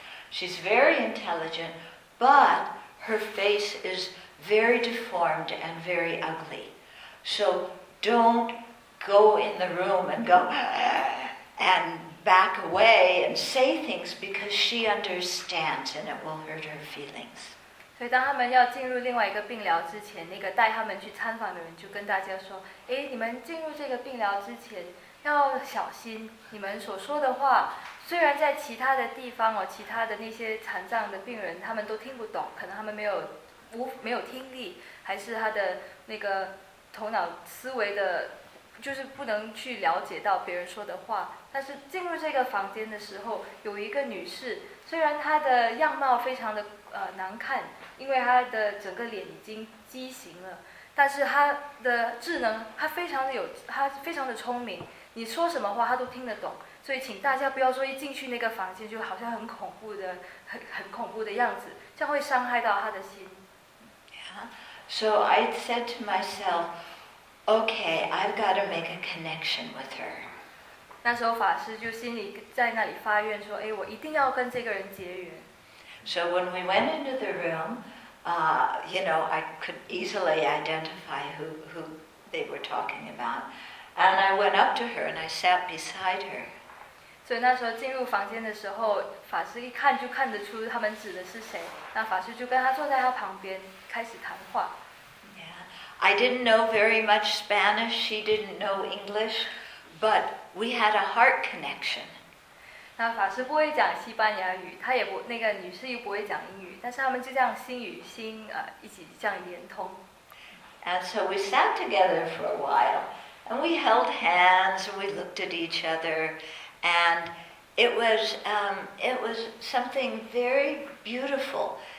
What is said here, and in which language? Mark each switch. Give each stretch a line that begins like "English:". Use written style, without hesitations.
English: She's very intelligent, but her face is very deformed and very ugly. So don't go in the room and go and back away and say things because she understands and it will hurt her feelings.
Chinese: 所以当他们要进入另外一个病疗之前，那个带他们去参访的人就跟大家说，诶，你们进入这个病疗之前要小心你们所说的话，虽然在其他的地方哦，其他的那些残障的病人他们都听不懂，可能他们没有听力，还是他的那个头脑思维的就是不能去了解到别人说的话，但是进入这个房间的时候，有一个女士，虽然她的样貌非常的难看，因为她的整个脸已经畸形了，但是她的智能，她非常的聪明，你说什么话她都听得懂，所以请大家不要说一进去那个房间就好像很恐怖的、很恐怖的样子，这样会伤害到他的心。
English: So I said to myself, okay, I've got to make a connection with her.
Chinese: 那时候法师就心里在那里发愿说，哎，我一定要跟这个人结缘。
English: So when we went into the room, you know, I could easily identify who they were talking about. And I went up to her and I sat beside her.
Chinese: 所以那时候进入房间的时候，法师一看就看得出他们指的是谁，那法师就跟他坐在他旁边。开始谈话。
English: Yeah. I didn't know very much Spanish, she didn't know English, but we had a heart connection.
Chinese: 那法师不会讲西班牙语，她也不，那个女士又不会讲英语，但是他们就这样心与心，一起这样连通。
English: And so we sat together for a while, and we held hands, and we looked at each other, and it was something very beautiful.